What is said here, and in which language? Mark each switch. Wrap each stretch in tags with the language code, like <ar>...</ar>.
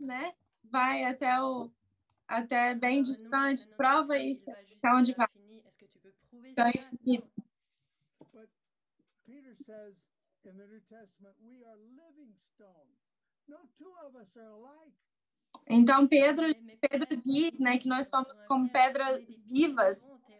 <pt>né, vai até o até bem distante, prova isso, até onde vai. Então, é infinito.</pt> <en>Peter says in the New Testament, we are living stones. No two of us are alike.</en> <pt>Então Pedro diz, né, que nós somos como pedras vivas.</pt>